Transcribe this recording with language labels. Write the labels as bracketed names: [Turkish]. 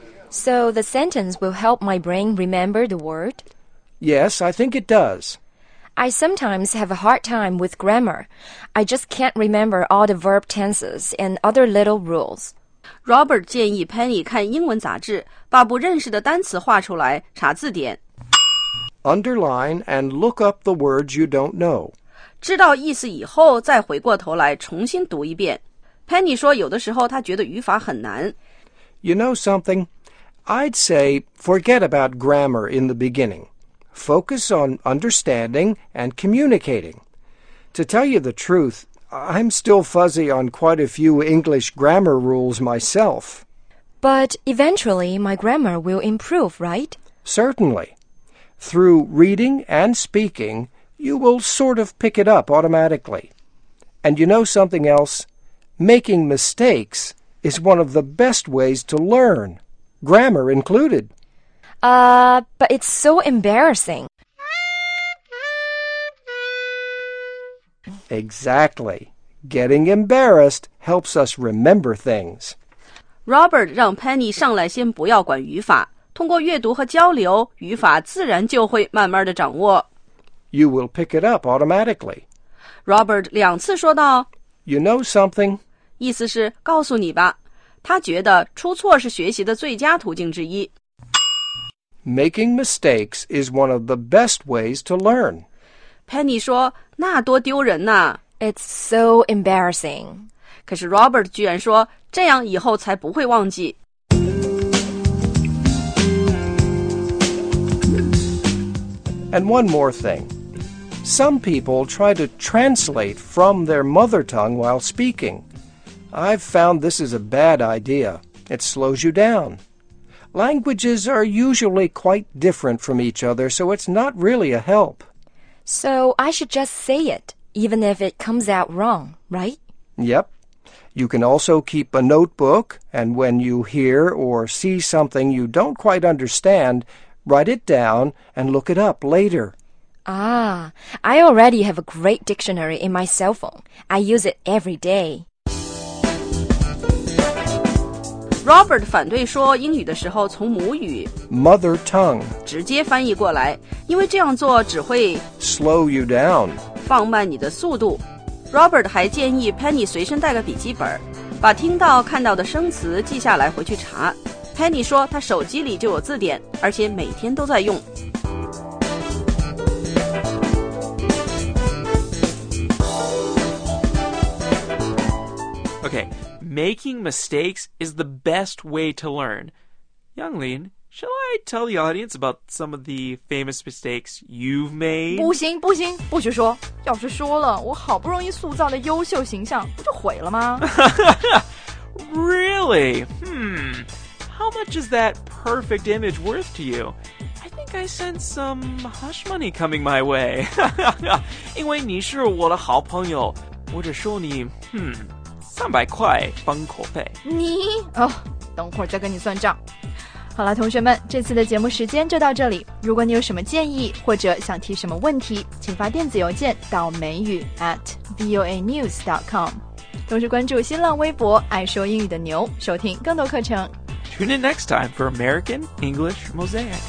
[English] So the sentence will help my brain remember the word? Yes, I think it does. I sometimes have a hard time with grammar. I just can't remember all the verb tenses and other little rules. [Chinese] Robert 建议 Penny 看英文杂志，把不认识的单词画出来，查字典。 [English] Underline and look up the words you don't know. [Chinese] 知道意思以后，再回过头来重新读一遍。 Penny 说有的时候他觉得语法很难。 [English] You know something? I'd say forget about grammar in the beginning. Focus on understanding and communicating. To tell you the truth, I'm still fuzzy on quite a few English grammar rules myself. But eventually my grammar will improve, right? Certainly. Through reading and speaking, you will sort of pick it up automatically. And you know something else? Making mistakes is one of the best ways to learn, grammar included. But it's so embarrassing. Exactly. Getting embarrassed helps us remember things. [Chinese] Robert 让 Penny 上来先不要管语法，通过阅读和交流，语法自然就会慢慢的掌握。 [English] You will pick it up automatically. [Chinese] Robert 两次说道， [English] You know something? [Chinese] 意思是告诉你吧，他觉得出错是学习的最佳途径之一。 [English] Making mistakes is one of the best ways to learn. [Chinese] Penny 说，那多丢人呐。 [English] It's so embarrassing. [Chinese] 可是 Robert 居然说，这样以后才不会忘记。 [English] And one more thing. Some people try to translate from their mother tongue while speaking. I've found this is a bad idea. It slows you down. Languages are usually quite different from each other, so it's not really a help. So I should just say it, even if it comes out wrong, right? Yep. You can also keep a notebook, and when you hear or see something you don't quite understand, write it down and look it up later. I already have a great dictionary in my cell phone. I use it every day. [Chinese] Robert 反对说英语的时候从母语 [English] Mother tongue [Chinese] 直接翻译过来，因为这样做只会 [English] Slow you down [Chinese] 放慢你的速度。 Robert 还建议 Penny 随身带个笔记本，把听到看到的生词记下来回去查。 Penny 说他手机里就有字典，而且每天都在用。 [English] Making mistakes is the best way to learn. Yonglin, shall I tell the audience about some of the famous mistakes you've made? [Chinese] 不行不行，不许说。要是说了，我好不容易塑造的优秀形象不就毁了吗？ [English] Really? How much is that perfect image worth to you? I think I sense some hush money coming my way. [Chinese] 因为你是我的好朋友，我只说你300块封口费。你哦，等会儿再跟你算账。好了，同学们，这次的节目时间就到这里。如果你有什么建议或者想提什么问题，请发电子邮件到美语 @voanews.com， 同时关注新浪微博爱说英语的牛，收听更多课程。 [English] Tune in next time for American English Mosaic.